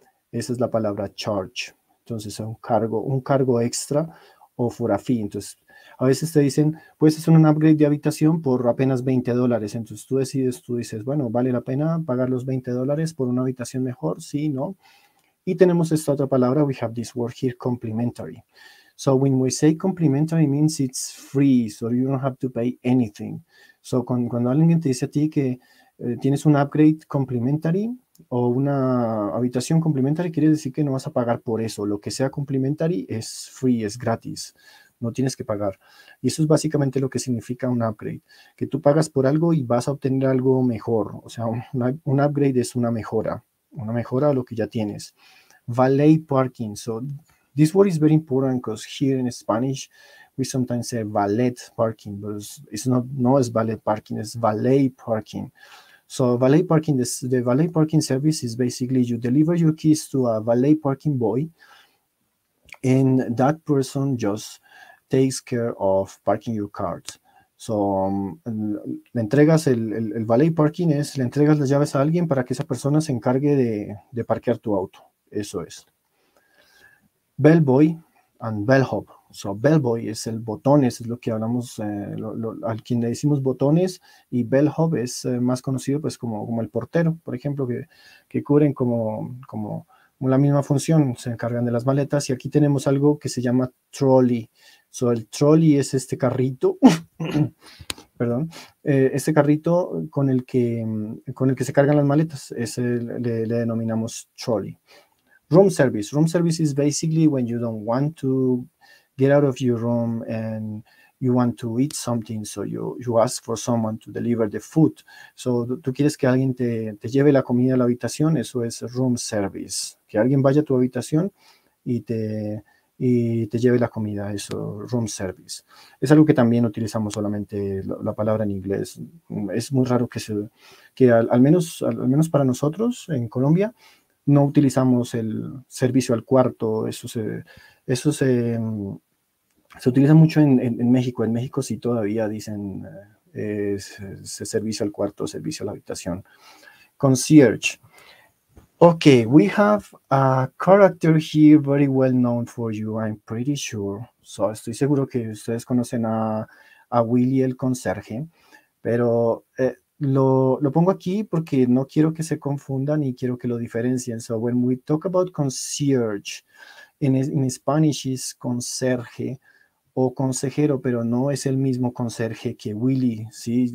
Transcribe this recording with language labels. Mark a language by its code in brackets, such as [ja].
[es] Esa es la palabra charge. Entonces, es un cargo extra o [en] for a fee. [es] Entonces, a veces te dicen, pues es un upgrade de habitación por apenas $20. Entonces, tú dices, bueno, ¿vale la pena pagar los $20 por una habitación mejor? Sí, ¿no? Y tenemos esta otra palabra, [en] we have this word here, [es] complimentary. [en] So when we say complimentary, means it's free, so you don't have to pay anything. [es] So cuando alguien te dice a ti que tienes un upgrade complimentary o una habitación complimentary, quiere decir que no vas a pagar por eso. Lo que sea complimentary es free, es gratis, no tienes que pagar. Y eso es básicamente lo que significa un upgrade, que tú pagas por algo y vas a obtener algo mejor. O sea, un upgrade es una mejora a lo que ya tienes. [en] Valet parking. So this word is very important because here in Spanish we sometimes say valet parking, but it's not valet parking, it's valet parking. So valet parking, the valet parking service is basically you deliver your keys to a valet parking boy and that person just takes care of parking your cars. [es] So, le entregas el valet parking, es le entregas las llaves a alguien para que esa persona se encargue de parquear tu auto. Eso es. Bellboy and bellhop. So, bellboy es el botones, es lo que hablamos, al quien le decimos botones, y bellhop es más conocido pues como el portero, por ejemplo, que cubren como la misma función, se encargan de las maletas. Y aquí tenemos algo que se llama trolley. So, el trolley es este carrito, perdón, este carrito con el que se cargan las maletas, le denominamos trolley. [en] Room service is basically when you don't want to get out of your room and you want to eat something, so you ask for someone to deliver the food. [es] So, tú quieres que alguien te lleve la comida a la habitación, eso es room service, que alguien vaya a tu habitación y te lleve la comida, eso, room service. Es algo que también utilizamos solamente la palabra en inglés. Es muy raro que al menos para nosotros en Colombia no utilizamos el servicio al cuarto. Eso se utiliza mucho en México. En México sí todavía dicen servicio al cuarto, servicio a la habitación. Concierge. [en] Okay, we have a character here very well known for you, I'm pretty sure. [es] So estoy seguro que ustedes conocen a Willy el conserje, pero lo pongo aquí porque no quiero que se confundan y quiero que lo diferencien. [en] So when we talk about concierge, in Spanish is [es] conserje o consejero, pero no es el mismo conserje que Willy, ¿sí?